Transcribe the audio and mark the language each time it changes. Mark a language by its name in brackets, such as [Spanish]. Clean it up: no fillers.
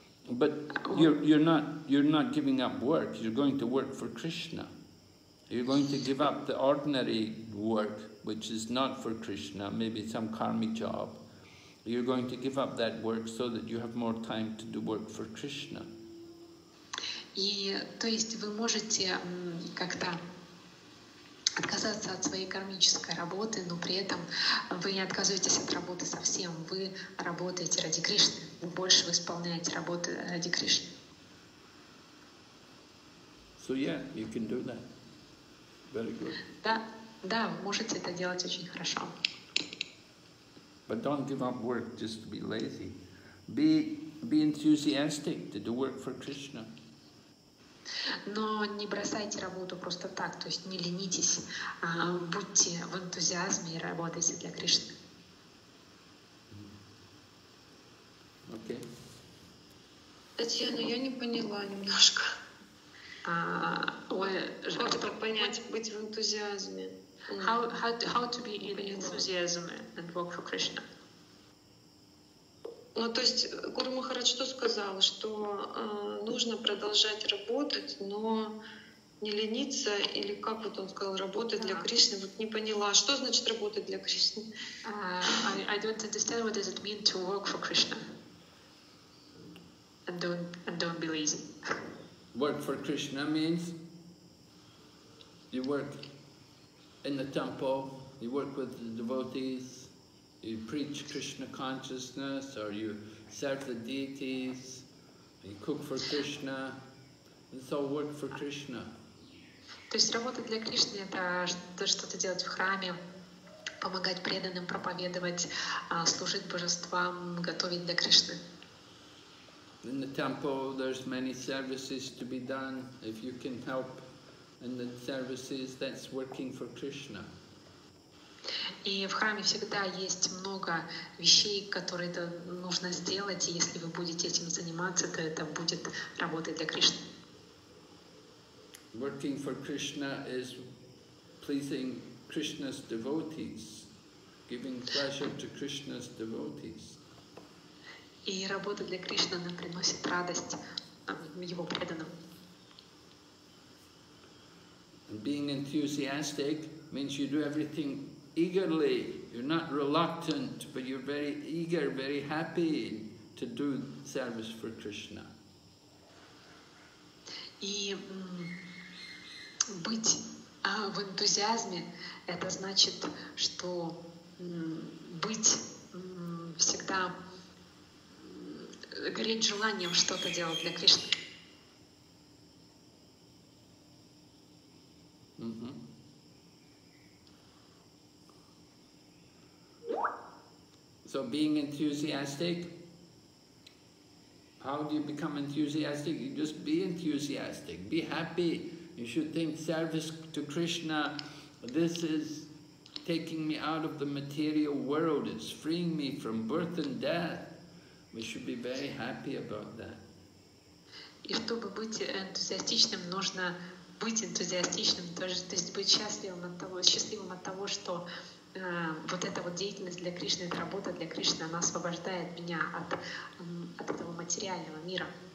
[English] But you're not giving up work, you're going to work for Krishna. You're going to give up the ordinary work, which is not for Krishna, maybe some karmic job. You're going to give up that work so that you have more time to do work for Krishna. [Russian] И то есть вы можете как-то отказаться от своей кармической работы, но при этом вы не отказываетесь от работы совсем. Вы работаете ради Кришны, больше вы исполняете работы ради Кришны. [English] So yeah, you can do that. Very good. [Russian] Да, вы можете это делать очень хорошо. [English] But don't give up work just to be lazy. Be enthusiastic to do work for Krishna. [Russian] Но не бросайте работу просто так, то есть не ленитесь, а будьте в энтузиазме и работайте для Кришны. Окей. Татьяна, я не поняла немножко. Как понять, быть в энтузиазме? [English] How to be in enthusiasm and work for Krishna? [Russian] Ну, то есть Гуру Махарадж что сказал, что нужно продолжать работать, но не лениться, или как вот он сказал, работать для Кришны, вот не поняла, что значит работать для Кришны? [English] I don't understand what does it mean to work for Krishna. And don't be lazy. Work for Krishna means you work in the temple, you work with the devotees. You preach Krishna consciousness, or you serve the deities, you cook for Krishna. It's all work for Krishna. [Russian] То есть работа для Кришны это то, что ты делаешь в храме, помогать преданным, проповедовать, служить божествам, готовить для Кришны. [English] In the temple, there's many services to be done. If you can help in the services, that's working for Krishna. [Russian] И в храме всегда есть много вещей, которые нужно сделать, и если вы будете этим заниматься, то это будет работой для Кришны. [English] Working for Krishna is pleasing Krishna's devotees, giving pleasure to Krishna's devotees. [Russian] И работа для Кришны, она приносит радость его преданным. [English] And being enthusiastic means you do everything eagerly, you're not reluctant, but you're very eager, very happy to do service for Krishna. [Russian] И быть в энтузиазме, это значит, что быть всегда гореть желанием что-то делать для Кришны. [English] So being enthusiastic, how do you become enthusiastic? You just be enthusiastic, be happy. You should think service to Krishna, this is taking me out of the material world, it's freeing me from birth and death. We should be very happy about that. [Russian] И чтобы быть энтузиастичным, нужно быть энтузиастичным, то есть быть счастливым от того, что вот эта вот деятельность для Кришны, эта работа для Кришны, она освобождает меня от этого материального мира.